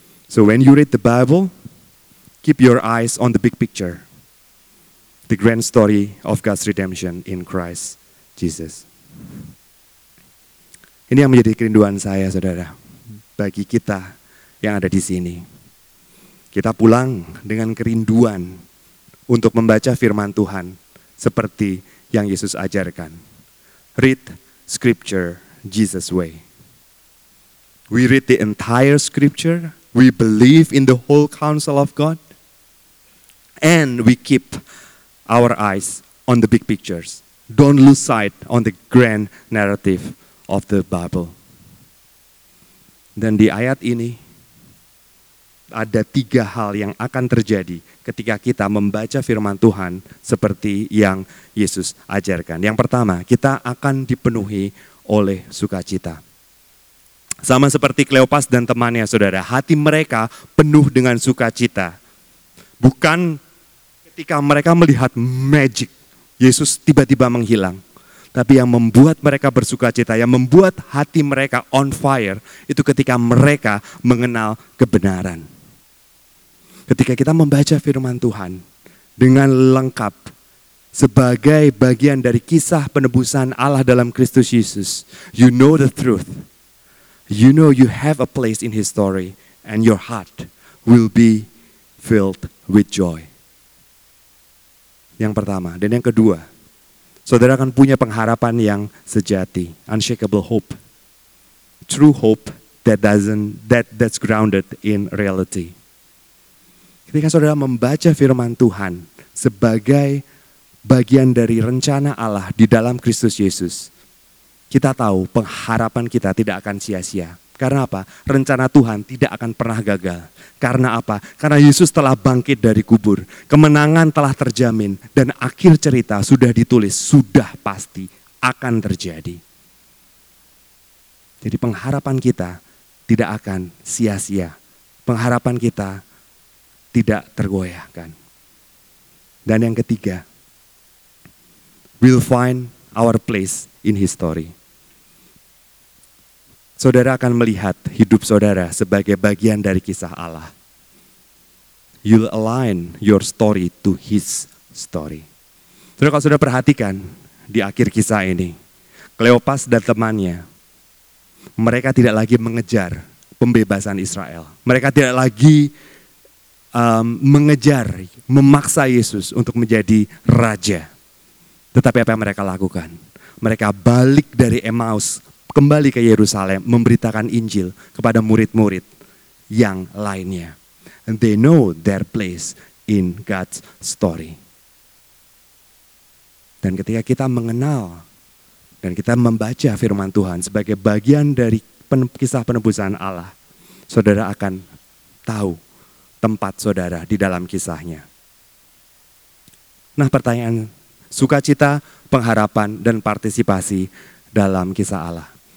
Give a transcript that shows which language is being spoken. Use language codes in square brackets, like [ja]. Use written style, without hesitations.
[en] So when you read the Bible, keep your eyes on the big picture, the grand story of God's redemption in Christ Jesus. [id] Ini yang menjadi kerinduan saya, saudara, bagi kita yang ada di sini. Kita pulang dengan kerinduan untuk membaca firman Tuhan seperti yang Yesus ajarkan. [en] Read scripture Jesus way. We read the entire scripture, we believe in the whole counsel of God, and we keep our eyes on the big pictures. Don't lose sight on the grand narrative of the Bible. [id] Dan di ayat ini, ada tiga hal yang akan terjadi ketika kita membaca firman Tuhan seperti yang Yesus ajarkan. Yang pertama, kita akan dipenuhi oleh sukacita. Sama seperti Kleopas dan temannya, saudara, hati mereka penuh dengan sukacita. Bukan ketika mereka melihat magic, Yesus tiba-tiba menghilang. Tapi yang membuat mereka bersukacita, yang membuat hati mereka [en] on fire, [id] itu ketika mereka mengenal kebenaran. Ketika kita membaca firman Tuhan dengan lengkap sebagai bagian dari kisah penebusan Allah dalam Kristus Yesus, [en] you know the truth. You know you have a place in His story and your heart will be filled with joy. [id] Yang pertama. Dan yang kedua, saudara akan punya pengharapan yang sejati. [en] Unshakable hope. True hope that's grounded in reality. [id] Ketika saudara membaca firman Tuhan sebagai bagian dari rencana Allah di dalam Kristus Yesus, kita tahu pengharapan kita tidak akan sia-sia. Karena apa? Rencana Tuhan tidak akan pernah gagal. Karena apa? Karena Yesus telah bangkit dari kubur. Kemenangan telah terjamin. Dan akhir cerita sudah ditulis. Sudah pasti akan terjadi. Jadi pengharapan kita tidak akan sia-sia. Pengharapan kita tidak tergoyahkan. Dan yang ketiga, [en] we'll find our place in history. [id] Saudara akan melihat hidup saudara sebagai bagian dari kisah Allah. [en] You'll align your story to His story. [id] Saudara, kalau saudara perhatikan di akhir kisah ini, Kleopas dan temannya, mereka tidak lagi mengejar pembebasan Israel. Mereka tidak lagi mengejar, memaksa Yesus untuk menjadi raja. Tetapi apa yang mereka lakukan? Mereka balik dari Emmaus, kembali ke Yerusalem, memberitakan Injil kepada murid-murid yang lainnya. [en] And they know their place in God's story. [id] Dan ketika kita mengenal dan kita membaca firman Tuhan sebagai bagian dari kisah penebusan Allah, saudara akan tahu tempat saudara di dalam kisahnya. Nah, pertanyaan sukacita, pengharapan, dan partisipasi dalam kisah Allah.